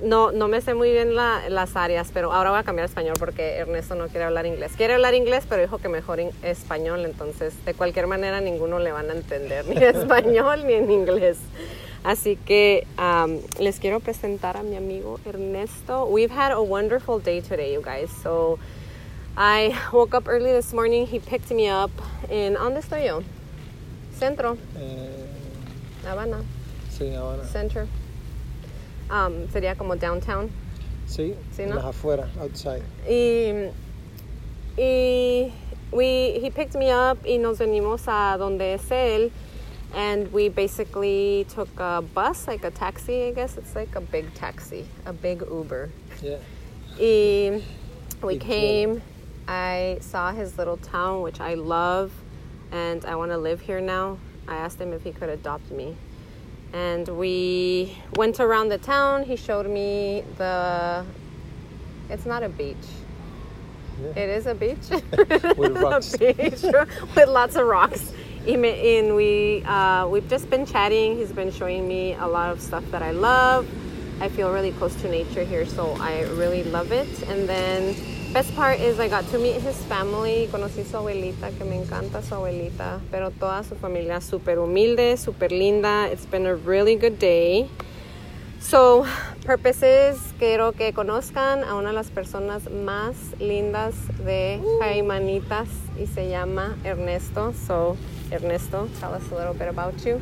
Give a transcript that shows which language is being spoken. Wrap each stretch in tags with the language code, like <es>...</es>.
<es>No me sé muy bien las áreas, pero ahora voy a cambiar español porque Ernesto no quiere hablar inglés. Quiere hablar inglés, pero dijo que mejor en español. Entonces, de cualquier manera, ninguno le van a entender ni español ni en inglés. Así que les quiero presentar a mi amigo Ernesto.</es> <en>We've had a wonderful day today, you guys. So I woke up early this morning. He picked me up in...</en> <es>¿Dónde estoy yo?</es> <en>Centro. Habana.</en> <es>Sí, Habana. Center. Sería como downtown. Sí. Sí, ¿no? Las afuera, outside.</es> <en>He picked me up</en> <es>y nos venimos a donde es él.</es> <en>And we basically took a bus, like a taxi, I guess. It's like a big taxi, a big Uber. Yeah. We came... Yeah. I saw his little town, which I love, and I want to live here now. I asked him if he could adopt me. And we went around the town. He showed me the... It's not a beach. Yeah. It is a beach. With rocks. A beach with lots of rocks. And we've just been chatting. He's been showing me a lot of stuff that I love. I feel really close to nature here, so I really love it. And then... Best part is I got to meet his family.</en> <es>Conocí su abuelita, que me encanta su abuelita. Pero toda su familia super humilde, super linda.</es> <en>It's been a really good day. So, purpose is,</en> <es>quiero que conozcan a una de las personas más lindas de Jaimanitas. Y se llama Ernesto.</es> <en>So, Ernesto, tell us a little bit about you.</en>